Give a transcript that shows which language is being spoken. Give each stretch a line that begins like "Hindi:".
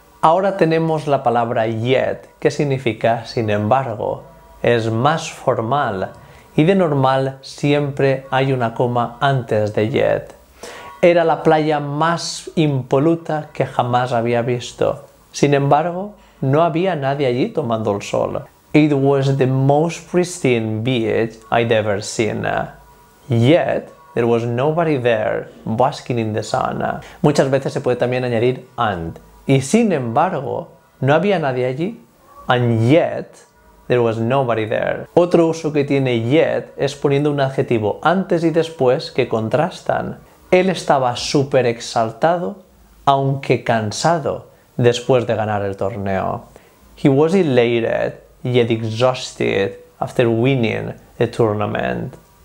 Spanish: Ahora tenemos la palabra yet, que significa sin embargo. Es más formal y de normal siempre hay una coma antes de yet. Era la playa más impoluta que jamás había visto. Sin embargo, no había nadie allí tomando el sol.
English: It was the most pristine beach I'd ever seen. Yet, there was nobody there basking in the sun.
Spanish: Muchas veces se puede también añadir and. Y sin embargo, no había nadie allí.
English: And yet, there was nobody there.
Spanish: Otro uso que tiene yet es poniendo un adjetivo antes y después que contrastan. Él estaba súper exaltado, aunque cansado, después de ganar el torneo.
English: He was elated, yet exhausted after winning the tournament.